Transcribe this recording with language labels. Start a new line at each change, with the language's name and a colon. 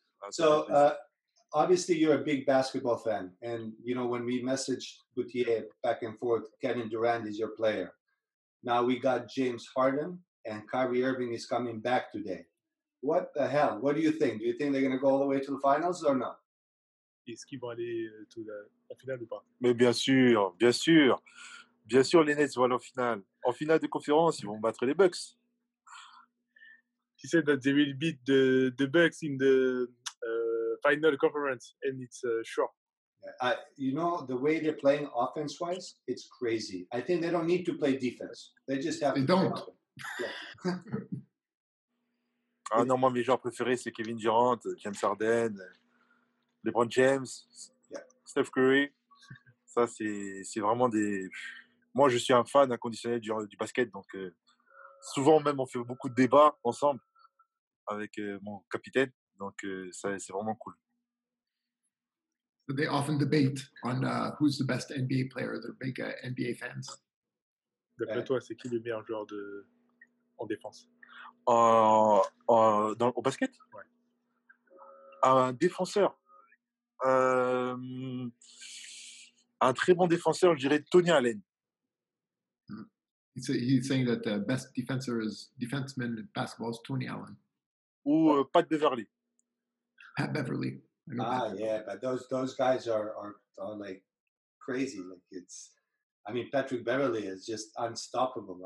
English: So, obviously, you're a big basketball fan. And, you know, when we messaged Gauthier back and forth, Kevin Durant is your player. Now we got James Harden and Kyrie Irving is coming back today. What the hell? What do you think? Do you think they're going to go all the way to the finals or no?
French: Est-ce qu'ils vont aller
English: to
French: la finale ou pas? Mais bien sûr, bien sûr. Bien sûr, les Nets vont aller en finale. En finale de conférence, ils vont battre les Bucks.
English: He said that they will beat the Bucks in the final conference, and it's sure. You know, the way they're playing offense-wise, it's crazy. I think they don't need to play defense. They just have they don't. Yeah.
French: Ah non, moi, mes joueurs préférés, c'est Kevin Durant, James Harden, LeBron James,
English: yeah.
French: Steph Curry. Ça, c'est vraiment des... Moi, je suis un fan inconditionnel du basket, donc... Souvent même, on fait beaucoup de débats ensemble avec mon capitaine. Donc, ça, c'est vraiment cool.
English: So they often debate on who's the best NBA player. They're big NBA fans.
French: D'après toi, c'est qui le meilleur joueur en défense? Au basket? Ouais. Un défenseur. Un très bon défenseur, je dirais Tony Allen.
English: He's saying that the best defenseman in basketball is Tony Allen.
French: Ou Pat Beverly. Pat Beverly.
English: Yeah, but those guys are like crazy. Like it's, I mean, Patrick Beverly is just unstoppable.